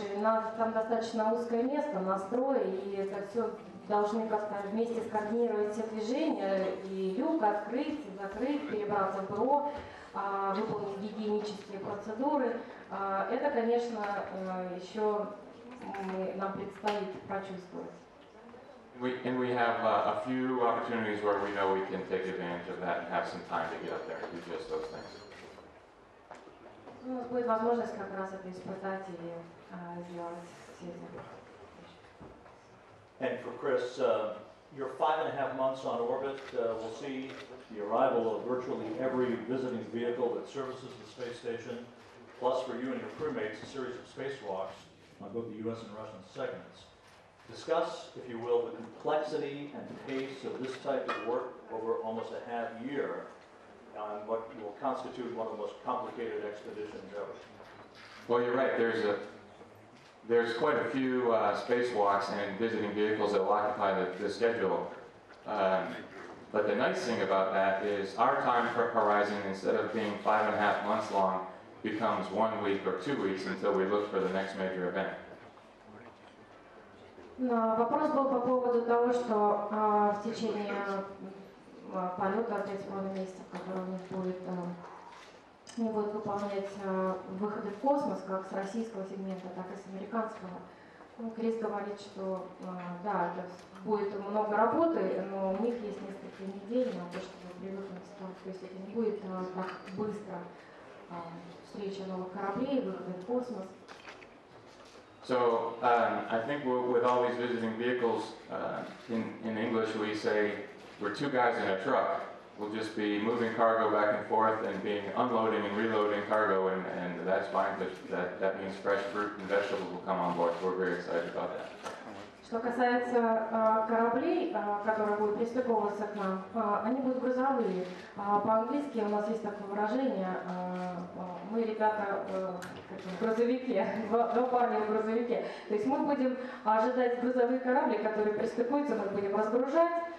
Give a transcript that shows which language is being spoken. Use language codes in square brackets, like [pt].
[ru] И у нас там достаточно узкое место, настрой, и это все должны как-то вместе скоординировать все движения, и люк открыть, закрыть, перебраться в бро. Выполнить гигиенические процедуры, это, конечно, еще нам предстоит прочувствовать. [en] And we have a few opportunities where we know we can take advantage of that and have some time to get up there and do just those things. [ru] У нас будет возможность как раз это испытать или сделать все эти вещи. [en] And for Chris, you're 5.5 months on orbit. We'll see the arrival of virtually every visiting vehicle that services the space station, plus for you and your crewmates, a series of spacewalks on both the U.S. and Russian segments. Discuss, if you will, the complexity and pace of this type of work over almost a half year on what will constitute one of the most complicated expeditions ever. Well, you're right. There's quite a few spacewalks and visiting vehicles that will occupy the schedule. But the nice thing about that is our time for horizon, instead of being 5.5 months long, becomes 1 week or 2 weeks until we look for the next major event. [ru] No, вопрос был по поводу того, что в течение полета 3.5 месяца, который у них будет, они будут выполнять выходы в космос как с российского сегмента, так и с американского. Ну, Крис говорит, что да, это будет много работы, но у них есть несколько недель на то, чтобы привыкнуть к этому. То есть это не будет так быстро встреча новых кораблей, выходы в космос. [en] So I think with all these visiting vehicles, in English we say we're two guys in a truck. We'll just be moving cargo back and forth and being unloading and reloading cargo, and that's fine. That means fresh fruit and vegetables will come on board. We're very excited about that. [ru] Что касается кораблей, которые будут пристыковываться к нам, они будут грузовые. По-английски у нас есть такое выражение. Мы, ребята, в грузовике, два парня в грузовике. То есть мы будем ожидать грузовые корабли, которые пристыкуются, мы будем разгружать.